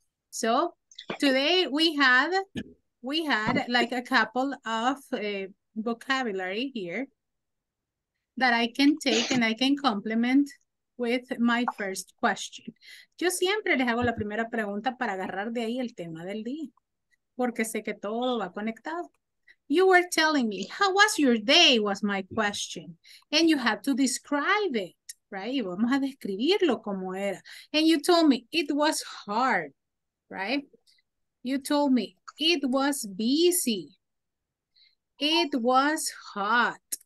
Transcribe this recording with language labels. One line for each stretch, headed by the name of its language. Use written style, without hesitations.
English: So today we had like a couple of vocabulary here that I can take and I can complement with my first question.
Spanish: Yo siempre les hago la primera pregunta para agarrar de ahí el tema del día, porque sé que todo va conectado.
English: You were telling me, how was your day, was my question. And you had to describe it, right?
Spanish: Y vamos a describirlo como era.
English: And you told me, it was hard, right? You told me, it was busy. It was hot.